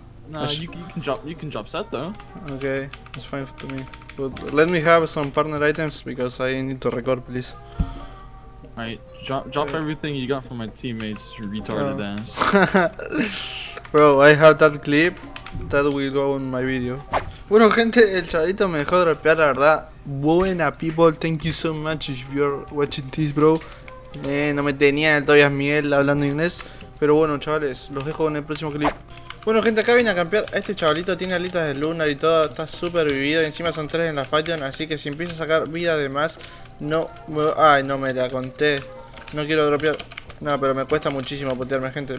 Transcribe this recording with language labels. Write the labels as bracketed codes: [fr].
[en] Nah, you can drop set though. Okay, it's fine to me. But let me have some partner items because I need to record, please. Alright, drop everything you got from my teammates, retarded ass. Bro, I have that clip. That will go in my video. [es] Bueno, gente, el chavalito me dejó dropear, la verdad. [en] Buena, people, thank you so much if you're watching this, bro. [es] No me tenía el Tobias Miguel hablando inglés. Pero bueno, chavales, los dejo en el próximo clip. Bueno, gente, acá vine a campear. Este chavalito tiene alitas de luna y todo. Está súper vivido. Encima son tres en la Fightion. Así que si empieza a sacar vida de más, no... Ay, no me la conté. No quiero dropear. No, pero me cuesta muchísimo putearme, gente.